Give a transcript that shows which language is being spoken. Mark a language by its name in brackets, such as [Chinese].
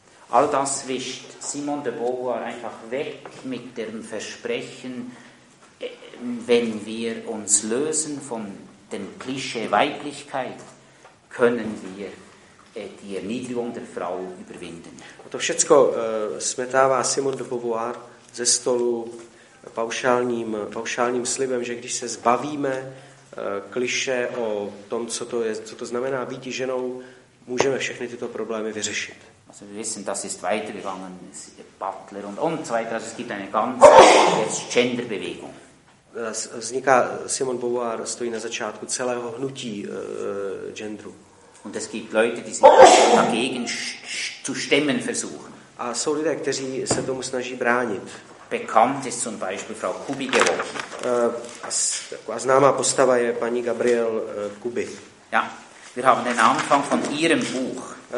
[German] All das wischt Simone de Beauvoir einfach weg mit dem Versprechen, wenn wir uns lösen von dem Klischee Weiblichkeit, können wir die Erniedrigung der Frau überwinden. [Czech] A to všecko smetává Simone de Beauvoir ze stolu paušálním slibem, že když se zbavíme kliše o tom, co to znamená být ženou, můžeme všechny tyto problémy vyřešit. [German] Also wir wissen, das ist weitergegangen, Butler und so weiter, also es gibt eine ganze Genderbewegung. [Czech] Vzniká Simone Beauvoir, stojí na začátku celého hnutí genderu. [German] Und es gibt Leute, die sich dagegen zu stemmen versuchen. [Czech] A jsou lidé, kteří se tomu snaží bránit. [German] Bekannt ist zum Beispiel Frau Kubi geworden. [Czech] A známá postava je paní Gabriel Kuby. [German] Ja, wir haben den Anfang von ihrem Buch.